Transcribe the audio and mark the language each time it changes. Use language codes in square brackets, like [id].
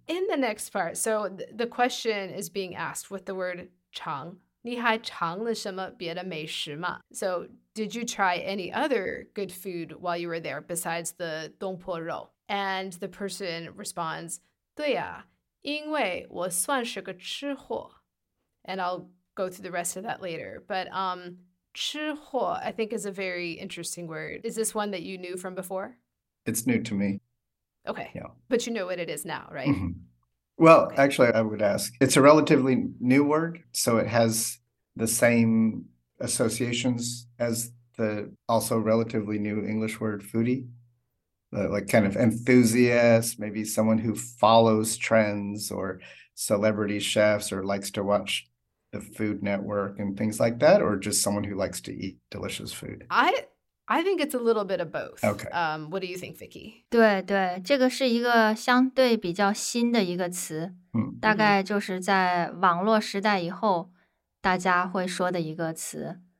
[en] In the next part, so the question is being asked with the word 尝. [zh] 你还尝了什么别的美食吗? [en] So did you try any other good food while you were there besides the 东坡肉? And the person responds, [zh] 对呀、因为我算是个吃货. [en] And I'll go through the rest of that later. But 吃货 I think is a very interesting word. Is this one that you knew from before? It's new to me. Okay, yeah. But you know what it is now, right? Mm-hmm. Well, okay. Actually, I would ask, it's a relatively new word, so it has the same associations as the also relatively new English word foodie, like kind of enthusiast, maybe someone who follows trends or celebrity chefs or likes to watch the Food Network and things like that, or just someone who likes to eat delicious food. I think it's a little bit of both. Okay. What do you think, Vicky? [zh] 对对，这个是一个相对比较新的一个词，大概就是在网络时代以后大家会说的一个词。